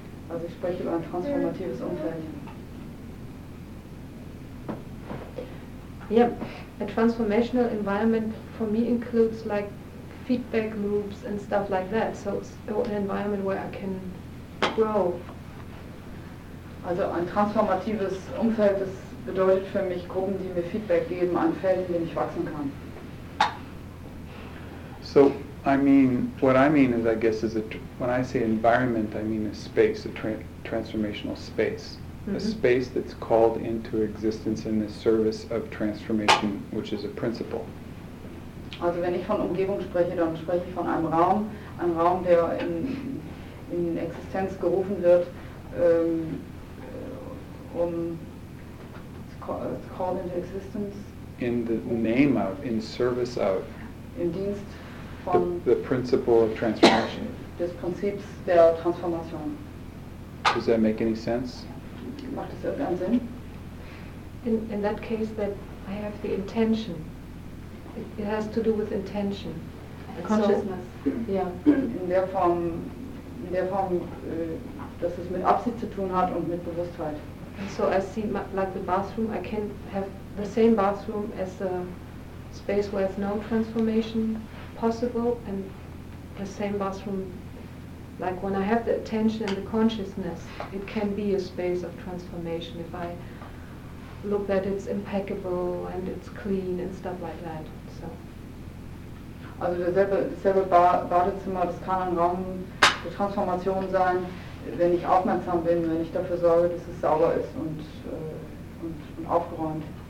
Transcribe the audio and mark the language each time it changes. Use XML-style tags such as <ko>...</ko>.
<de>Also ich spreche über ein transformatives Umfeld.</de> <en>Yep. A transformational environment for me includes like feedback loops and stuff like that. So it's an environment where I can grow.</en> <de>Also ein transformatives Umfeld, das bedeutet für mich Gruppen, die mir Feedback geben, ein Feld, in dem ich wachsen kann.</de> <en>So I mean, what I mean is, I guess, is when I say environment, I mean a space, a transformational space. Mm-hmm. A space that's called into existence in the service of transformation, which is a principle.</en> <de>Also wenn ich von Umgebung spreche, dann spreche ich von einem Raum, der in Existenz gerufen wird,</de> <en>it's called into existence. In the name of, in service of.</en> <de>Im Dienst.</de> <en>The principle of transformation.</en> <de>Des Prinzips der Transformation.</de> <en>Does that make any sense?</en> <de>Macht das irgendeinen Sinn?</de> <en>in that case that I have the intention. It has to do with intention. Consciousness. So, yeah.</en> <de>In der Form, dass es mit Absicht zu tun hat und mit Bewusstheit.</de> <en>And so I see like the bathroom, I can have the same bathroom as a space where there's no transformation possible, and the same bathroom, like when I have the attention and the consciousness, it can be a space of transformation if I look that it's impeccable and it's clean and stuff like that. So.</en> <de>Also derselbe Badezimmer, das kann ein Raum der Transformation sein, wenn ich aufmerksam bin, wenn ich dafür sorge, dass es sauber ist und aufgeräumt.</de>